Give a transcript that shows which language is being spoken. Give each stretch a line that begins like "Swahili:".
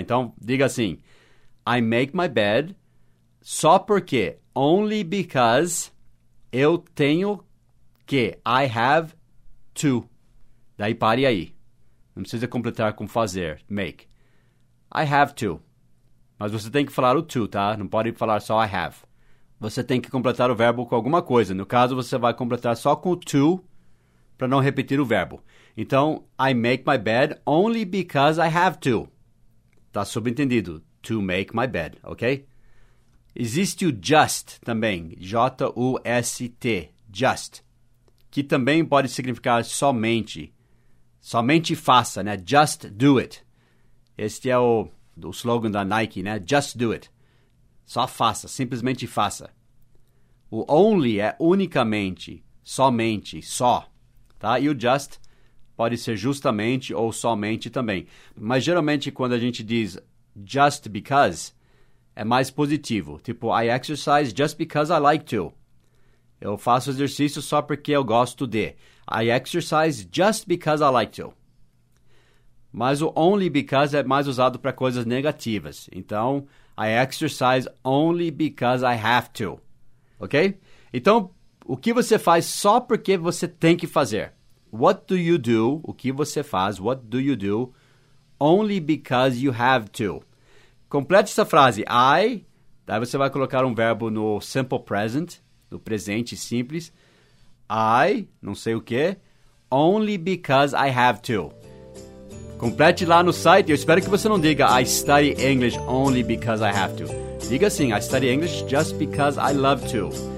Portuguese: Então, diga assim,
English: I make my bed
Portuguese: só porque,
English: only because,
Portuguese: eu tenho que,
English: I have to.
Portuguese: Daí pare aí. Não precisa completar com fazer, make. I have to. Mas você tem que falar o to, tá? Não pode falar só
English: I have.
Portuguese: Você tem que completar o verbo com alguma coisa. No caso, você vai completar só com o to para não repetir o verbo.
English: Então, I make my bed only because I have to.
Portuguese: Tá subentendido.
English: To make my bed, ok?
Portuguese: Existe o just também, J-U-S-T, just, que também pode significar somente, somente faça, né?
English: Just do it.
Portuguese: Este é o slogan da Nike, né?
English: Just do it.
Portuguese: Só faça, simplesmente faça. O only é unicamente, somente, só, tá? E o just pode ser justamente ou somente também. Mas geralmente quando a gente diz
English: just because,
Portuguese: é mais positivo.
English: Tipo, I exercise just because I like to.
Portuguese: Eu faço exercício só porque eu gosto de.
English: I exercise just because I like to.
Portuguese: Mas o
English: only because
Portuguese: é mais usado para coisas negativas.
English: Então, I exercise only because I have to. Ok?
Portuguese: Então, o que você faz só porque você tem que fazer?
English: What do you do?
Portuguese: O que você faz?
English: What do you do? Only because you have to.
Portuguese: Complete essa frase. I, daí você vai colocar um verbo no simple present, no presente simples.
English: I,
Portuguese: não sei o quê,
English: only because I have to.
Portuguese: Complete lá no site. Eu espero que você não diga
English: I study English only because I have to.
Portuguese: Diga assim,
English: I study English just because I love to.